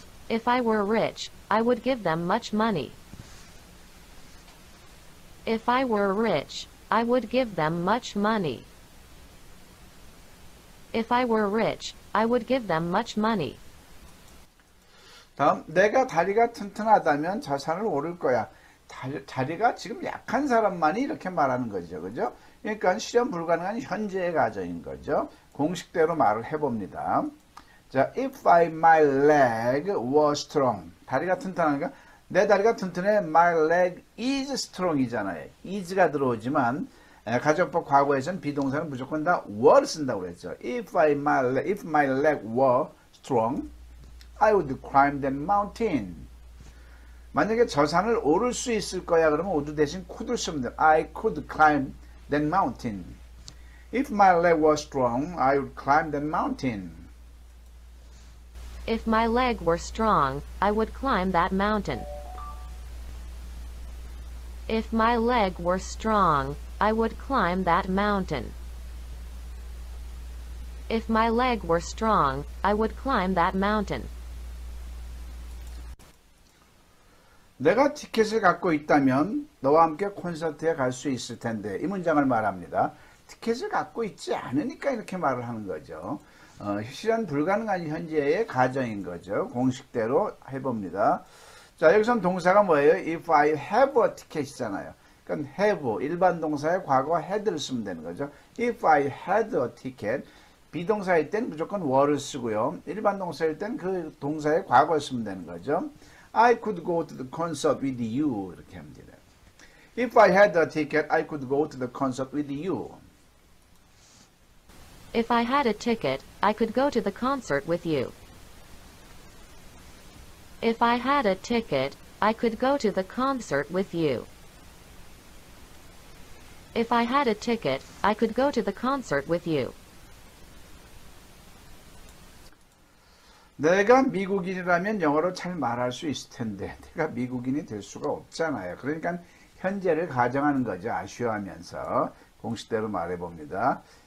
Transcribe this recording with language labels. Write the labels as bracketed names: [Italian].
[English] If I were rich, I would give them much money. If I were rich, I would give them much money. If I were rich, I would give them much money. [Korean] 다음, 내가 다리가 튼튼하다면 자산을 오를 거야. 다리가 지금 약한 사람만이 이렇게 말하는 거죠. 그죠? 그러니까 실현 불가능한 현재의 가정인 거죠. 공식대로 말을 해봅니다. [English] 자, if I, my leg was strong. [Korean] 다리가 튼튼한가? 내 다리가 튼튼해. [English] My leg is strong이잖아요. [Korean] is가 들어오지만, 가정법 과거에서는 비동사는 무조건 다 were 쓴다고 그랬죠. [English] If my leg were strong, I would climb that mountain. [Korean] 만약에 저산을 오를 수 있을 거야, 그러면 would 대신 could 쓰면 돼. [English] I could climb that mountain. If my leg was strong, I would climb that mountain. If my leg were strong, I would climb that mountain. If my leg were strong, I would climb that mountain. If my leg were strong, I would climb that mountain. [Korean] 내가 티켓을 갖고 있다면 너와 함께 콘서트에 갈수 있을 텐데. 이 문장을 말합니다. 티켓을 갖고 있지 않으니까 이렇게 말을 하는 거죠. 실현 불가능한 현재의 가정인 거죠. 공식대로 해봅니다. 자, 여기선 동사가 뭐예요? [English] If I have a ticket [Korean] 이잖아요. 그러니까 have, 일반 동사의 과거 had를 쓰면 되는 거죠. [English] If I had a ticket. [Korean] 비동사일 땐 무조건 were를 쓰고요. 일반 동사일 땐그 동사의 과거 쓰면 되는 거죠. [English] I could go to the concert with you. [Korean] 이렇게 하면 되네요. [English] If I had a ticket, I could go to the concert with you. If I had a ticket, I could go to the concert with you. If I had a ticket, I could go to the concert with you. If I had a ticket, I could go to the concert with you. [Korean] 내가 미국인이라면 영어로 잘 말할 수 있을 텐데, 내가 미국인이 될 수가 없잖아요. 그러니까 현재를 가정하는 거죠. 아쉬워하면서 공식대로 말해봅니다.